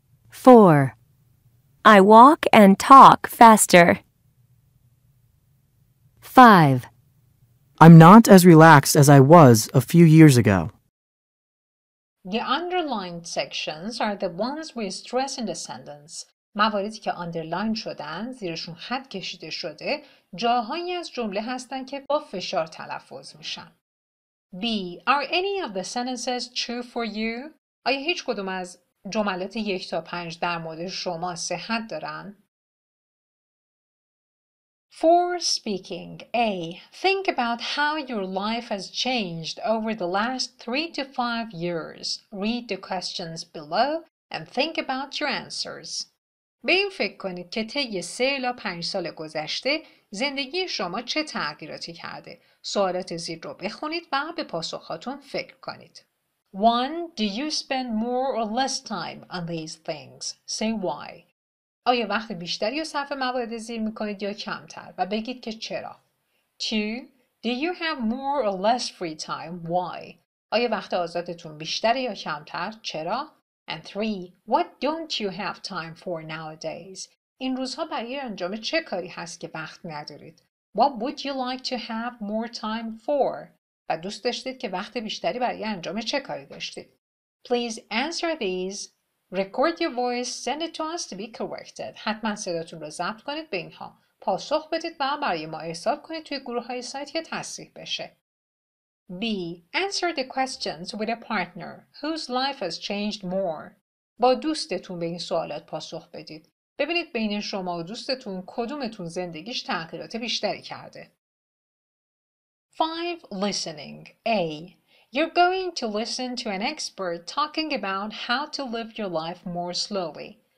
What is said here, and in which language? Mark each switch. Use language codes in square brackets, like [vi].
[en] 4. I walk and talk faster. 5. I'm not as relaxed as I was a few years ago. The underlined sections are the ones we stress in the sentence. [fa] مواردی که آندرلاین شدن، زیرشون خط کشیده شده، جاهایی از جمله هستن که با فشار تلفظ میشن. [en] B. Are any of the sentences true for you? [fa] آیا هیچ کدوم از جملات 1 تا 5 در مورد شما صحت دارن؟ [en] For speaking, A. Think about how your life has changed over the last 3 to 5 years. Read the questions below and think about your answers. [fa] به این فکر کنید که طی 3 الی 5 سال گذشته زندگی شما چه تغییراتی کرده. سوالات زیر رو بخونید و به پاسخاتون فکر کنید. [en] 1. Do you spend more or less time on these things? Say why. [fa] آیا وقت بیشتری یا صرف موارد زیر میکنید یا کمتر؟ و بگید که چرا. [en] 2. Do you have more or less free time? Why. [fa] آیا وقت آزادتون بیشتر یا کمتر؟ چرا؟ [en] And 3. What don't you have time for nowadays? [fa] این روزها برای انجام چه کاری هست که وقت ندارید؟ [en] What would you like to have more time for? [fa] و دوست داشتید که وقت بیشتری برای انجام چه کاری داشتید؟ [en] Please answer these. Record your voice. Send it to us to be corrected. [fa] حتما صداتون رو ضبط کنید به اینها. پاسخ بدید و برای ما ارسال کنید توی گروه های سایت که تصحیح بشه. [en] B. Answer the questions with a partner whose life has changed more. [fa] با دوستتون به این سوالات پاسخ بدید. ببینید بین شما و دوستتون کدومتون زندگیش تغییرات بیشتری کرده. [en] 5. Listening. A. You're going to listen to an expert talking about how to live your life more slowly.